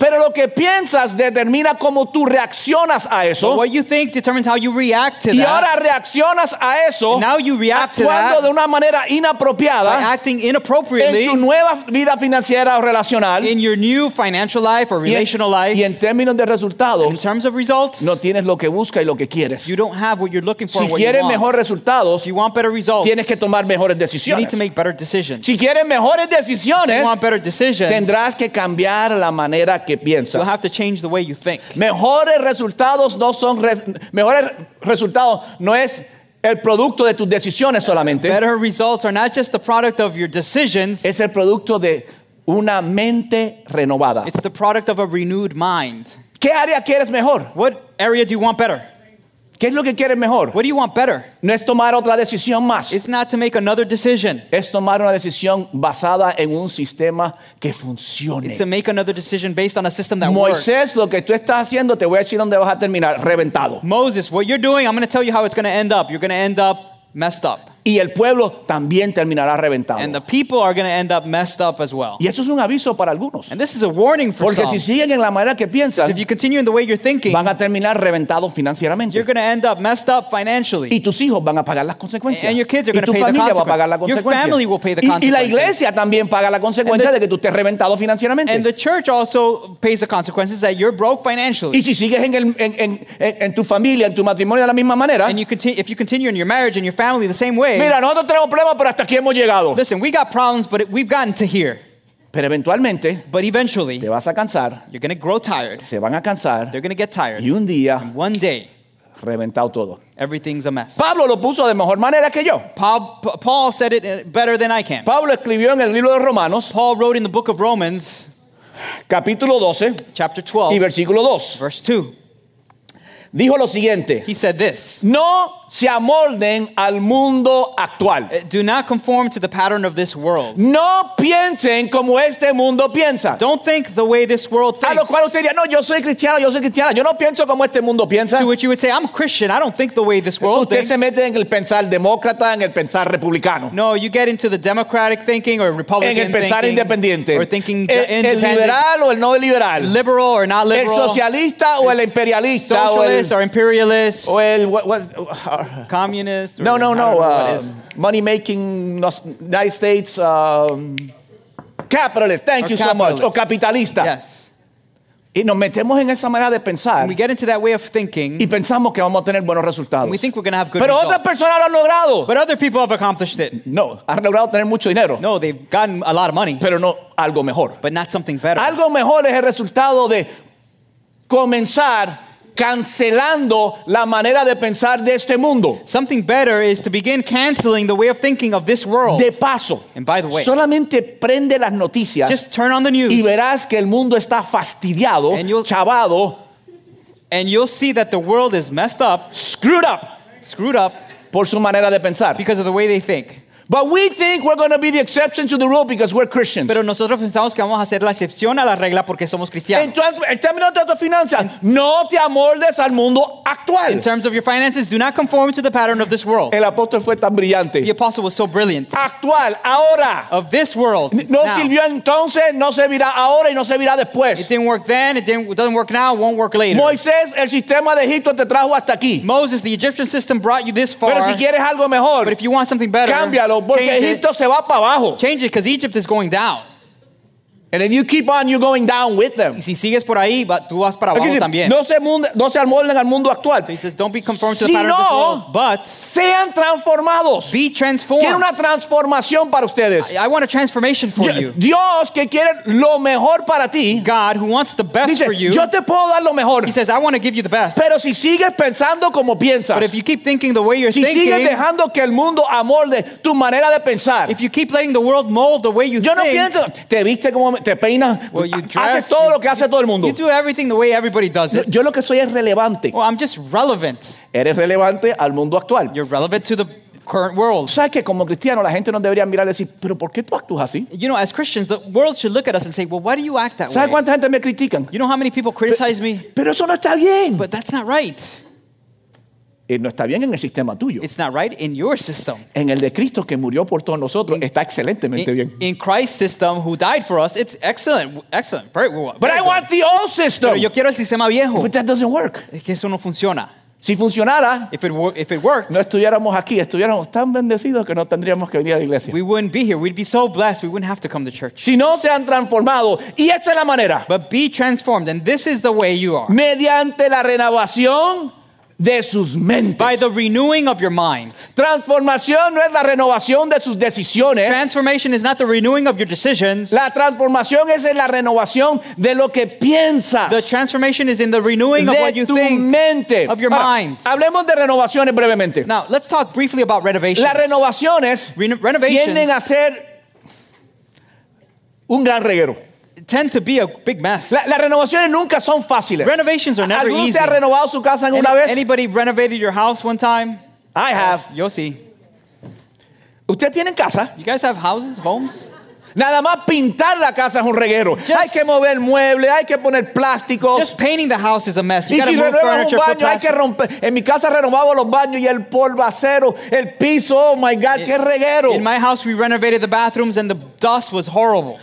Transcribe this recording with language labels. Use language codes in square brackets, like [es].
[es] Pero lo que piensas determina cómo tú reaccionas a eso. [en] But what you think determines how you react to [es] y [en] that. [es] Y ahora reaccionas a eso. [en] And now you react [es] actuando [en] to that, [es] de una manera inapropiada. [en] By acting inappropriately. [es] En tu nueva vida financiera o relacional. [en] In your new financial life or relational life. [es] Y en términos de resultados. [en] In terms of results. [es] No tienes lo que buscas y lo que quieres. [en] You don't have what you're looking for. [es] Si [en] what [es] quieres mejores resultados, [en] if you want better results, [es] tienes que tomar mejores decisiones. [en] You need to make better decisions. [es] Si quieres mejores decisiones, [en] if you want better decisions, [es] tendrás que cambiar la manera que piensas. [en] You'll have to change the way you think. [es] Mejores resultados no son mejores resultados no es el producto de tus decisiones solamente. [en] Better results are not just the product of your decisions. [es] Es el producto de una mente renovada. [en] It's the product of a renewed mind. [es] ¿Qué área quieres mejor? [en] What area do you want better? [es] ¿Qué es lo que quieres mejor? [en] What do you want better? [es] No es tomar otra decisión más. [en] It's not to make another decision. [es] Es tomar una decisión basada en un sistema que funcione. [en] It's to make another decision based on a system that [es] Moisés, [en] works. [es] Moisés, lo que tú estás haciendo, te voy a decir dónde vas a terminar, reventado. [en] Moses, what you're doing, I'm going to tell you how it's going to end up. You're going to end up messed up. [es] Y el pueblo también terminará reventado. [en] And the people are going to end up messed up as well. [es] Y eso es un aviso para algunos. [en] And this is a warning for [es] porque [en] some. [es] Si siguen en la manera que piensan, [en] if you continue in the way you're thinking, [es] van a terminar reventados financieramente. [en] You're going to end up messed up financially. [es] Y tus hijos van a pagar las consecuencias. [en] And your kids are going to pay the consequences. [es] Y tu familia va a pagar la consecuencia. [en] Your family will pay the consequences. [es] Y la iglesia también paga la consecuencia de que tú estés reventado financieramente. [en] And the church also pays the consequences that you're broke financially. [es] Y si sigues en tu familia, en tu matrimonio de la misma manera, [en] and if you continue in your marriage and your family the same way, [es] mira, nosotros tenemos problemas, pero hasta aquí hemos llegado. [en] Listen, we got problems, but we've gotten to here. [es] Pero eventualmente, [en] but eventually, [es] te vas a cansar. [en] You're going to grow tired. [es] Se van a cansar. [en] They're going to get tired. [es] Y un día, [en] and one day, [es] reventado todo. [en] Everything's a mess. [es] Pablo lo puso de mejor manera que yo. [en] Paul said it better than I can. [es] Pablo escribió en el libro de Romanos. [en] Paul wrote in the book of Romans, [es] capítulo 12, [en] chapter 12, [es] y versículo 2. [en] Verse 2. [es] Dijo lo siguiente. [en] He said this. [es] No se amolden al mundo actual. [en] Do not conform to the pattern of this world. [es] No piensen como este mundo piensa. [en] Don't think the way this world thinks. [es] A lo cual usted diría, no, yo soy cristiano, yo soy cristiana. Yo no pienso como este mundo piensa. [en] To which you would say, I'm Christian. I don't think the way this world [es] usted [en] thinks. [es] Usted se mete en el pensar demócrata, en el pensar republicano. [en] No, you get into the democratic thinking or republican thinking. [es] En el pensar [en] thinking, [es] independiente. [en] Or thinking independent. [es] El liberal o el no liberal. [en] Liberal or not liberal. [es] El socialista o el imperialista. [en] Socialist or imperialist. [es] O el [en] what communist? Or no. Money making, United States, capitalist. Thank or you capitalist. So much. Or capitalista. Yes. [es] Y nos metemos en esa manera de pensar. [en] And we get into that way of thinking. [es] Y pensamos que vamos a tener buenos resultados. [en] And we think we're going to have good [es] Pero [en] results. [es] Pero otras personas lo han logrado. [en] But other people have accomplished it. [es] No, han logrado tener mucho dinero. [en] No, they've gotten a lot of money. [es] Pero no algo mejor. [en] But not something better. [es] Algo mejor es el resultado de comenzar cancelando la manera de pensar de este mundo. [en] Something better is to begin canceling the way of thinking of this world. [es] De paso. [en] And by the way, [es] solamente prende las noticias. [en] Just turn on the news. [es] Y verás que el mundo está fastidiado, [en] and you'll, [es] chavado. [en] And you'll see that the world is messed up. Screwed up. Screwed up. [es] Por su manera de pensar. [en] Because of the way they think. But we think we're going to be the exception to the rule because we're Christians. [es] Pero nosotros pensamos que vamos a ser la excepción a la regla porque somos cristianos. Entonces, en términos de tus finanzas, no te amoldes al mundo actual. [en] In terms of your finances, do not conform to the pattern of this world. [es] El apóstol fue tan brillante. [en] The apostle was so brilliant. [es] Actual, ahora. [en] Of this world, [es] no [en] now. [es] Sirvió entonces, no servirá ahora y no servirá después. [en] It didn't work then, it doesn't work now, it won't work later. [es] Moisés, el sistema de Egipto te trajo hasta aquí. [en] Moses, the Egyptian system brought you this far. [es] Pero si quieres algo mejor, [en] but if you want something better, [es] cámbialo. Porque Egipto se va para abajo. [en] Change it, because Egypt is going down. And if you keep on, you're going down with them. [es] Y si sigues por ahí, tú vas para abajo también. No se amolden al mundo actual. [en] He says, don't be conformed to the pattern of this world. But [es] sean transformados. [en] Be transformed. [es] Quiero una transformación para ustedes. [en] I want a transformation for you. [es] Dios que quiere lo mejor para ti. [en] God who wants the best [es] dice, [en] for you. [es] Yo te puedo dar lo mejor. [en] He says, I want to give you the best. [es] Pero si sigues pensando como piensas. [en] But if you keep thinking the way you're [es] si [en] thinking. [es] Si sigues dejando que el mundo amolde tu manera de pensar. [en] If you keep letting the world mold the way you [es] yo [en] think. [es] Yo no pienso. Te viste como te peinas, [en] well, you dress, [es] haces todo lo que hace todo el mundo. [en] You do everything the way everybody does it. [es] Yo lo que soy es relevante. [en] Well, I'm just relevant. [es] Eres relevante al mundo actual. [en] You're relevant to the current world. [es] ¿Sabes que como cristiano la gente no debería mirar y decir, pero por qué tú actúas así? [en] You know, as Christians, the world should look at us and say, well, why do you act that way? [es] ¿Sabes cuánta gente me critican? [en] You know how many people criticize me? [es] Pero eso no está bien. [en] But that's not right. [es] No está bien en el sistema tuyo. [en] It's not right in your system. [es] En el de Cristo que murió por todos nosotros está excelentemente bien. [en] In Christ's system who died for us, it's excellent. Excellent. Very but I good. Want the old system. [es] Pero yo quiero el sistema viejo. [en] But that doesn't work. [es] Es que eso no funciona. Si funcionara, [en] if it worked, [es] no estuviéramos aquí, estuviéramos tan bendecidos que no tendríamos que venir a la iglesia. [en] We wouldn't be here. We'd be so blessed. We wouldn't have to come to church. [es] Si no se han transformado, y esta es la manera. [en] But be transformed and this is the way you are. [es] Mediante la renovación de sus mentes. [en] By the renewing of your mind. [es] Transformación no es la renovación de sus decisiones. [en] Transformation is not the renewing of your decisions. [es] La transformación es en la renovación de lo que piensas. [en] The transformation is in the renewing [es] de [en] of what you think. [es] De tu mente. [en] Of your mind. [es] Hablemos de renovaciones brevemente. [en] Now, let's talk briefly about renovations. [es] Las renovaciones tienden a ser un gran reguero. [en] Tend to be a big mess. [es] Las renovaciones nunca son fáciles. [en] Renovations are never easy. [es] ¿Alguien ha renovado su casa alguna vez? [en] Anybody renovated your house one time? I have. [es] Yo sí. ¿Ustedes tienen casa? [en] You guys have houses, homes? [es] Nada más pintar la casa es un reguero. [en] Just, [es] hay que mover muebles, hay que poner plástico. [en] Just painting the house is a mess. You [es] y si [en] move renuevas [es] un baño, hay que romper. En mi casa renovamos los baños y el polvo acero, el piso, [en] oh my God, [es] qué reguero. [en] In my house we renovated the bathrooms and the dust was horrible.